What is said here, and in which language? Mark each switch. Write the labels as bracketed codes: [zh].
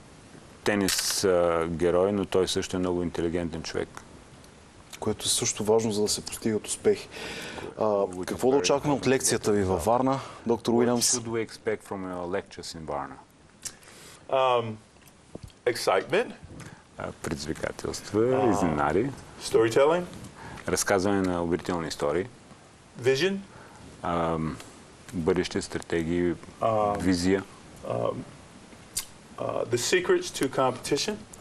[bg] Той не е само тенис герой, но той също е много интелигентен човек. Което е също важно, за да се постигат успехи. Какво да очакваме от лекцията ви във Варна, доктор Уилямс? [en] What should we expect from your lectures in Varna? Excitement. [bg] Предизвикателства, изненади. [en] Storytelling. [bg] Разказване на убедителни истории. [en] Vision. [bg] Бъдеще, стратегии, визия. [en] The secrets to competition.